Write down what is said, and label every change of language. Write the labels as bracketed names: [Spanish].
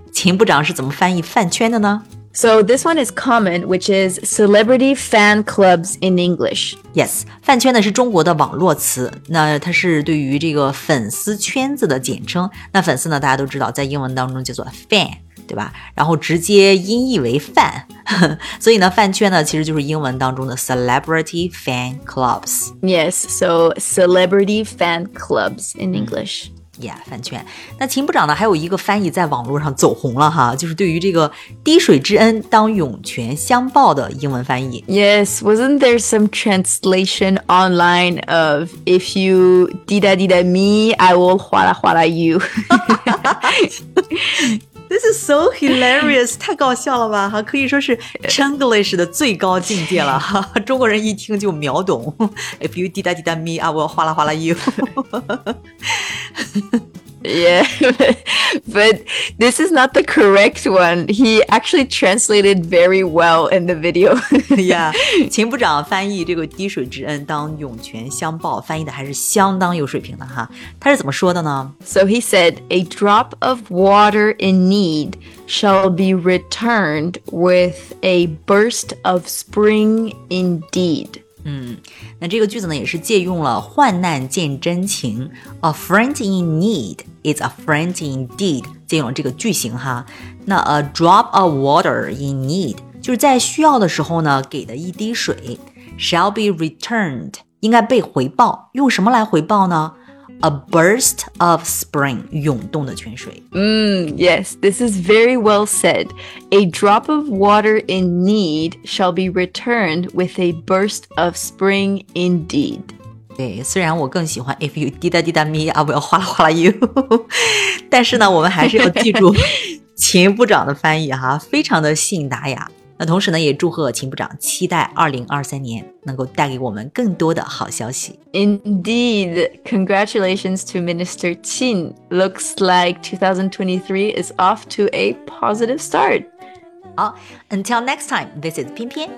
[Chinese] 秦部长是怎么翻译饭圈的呢? [English] So this one is common, which is celebrity fan clubs in English. [Chinese] Yes, 饭圈呢是中国的网络词。那它是对于这个粉丝圈子的简称。那粉丝呢大家都知道在英文当中叫做 fan, 对吧? 然后直接音译为饭。所以呢饭圈呢其实就是英文当中的 celebrity fan clubs. [English] Yes, so celebrity fan clubs in English. Yeah, 饭圈。 [Chinese] 那秦部长呢还有一个翻译在网络上走红了哈就是对于这个滴水之恩当涌泉相报的英文翻译。 [English] Yes, wasn't there some translation online of if you 滴答滴答 me, I will 哗啦哗啦 you. This is so hilarious, [Chinese] 太搞笑了吧哈可以说是 Chinglish 的最高境界了哈中国人一听就秒懂 [English] If you 滴答滴答 me, I will 哗啦哗啦 you. Yeah, but this is not the correct one. He actually translated very well in the video. [Chinese] Yeah, 秦部长翻译这个滴水之恩当涌泉相报翻译的还是相当有水平的哈。他是怎么说的呢? [English] So he said, a drop of water in need shall be returned with a burst of spring indeed. [Chinese] 那这个句子呢也是借用了患难见真情 [English] A friend in need is a friend indeed [Chinese] 借用了这个句型哈那 [English] a drop of water in need [Chinese] 就是在需要的时候呢给的一滴水 [English] shall be returned [Chinese] 应该被回报用什么来回报呢 [English] A burst of spring, [Chinese] 涌动的泉水。 [English] Yes, this is very well said. A drop of water in need shall be returned with a burst of spring indeed. [Chinese] 对，虽然我更喜欢 [English] if you 滴答滴答 me, I will 哗啦哗啦 you. [Chinese] 但是呢，我们还是要记住秦部长的翻译哈，非常的信达雅。那同时呢也祝贺秦部长期待2023年能够带给我们更多的好消息。 [English] Indeed, congratulations to Minister Qin. Looks like 2023 is off to a positive start. [Chinese] 好 [English] ,until next time, this is 翩翩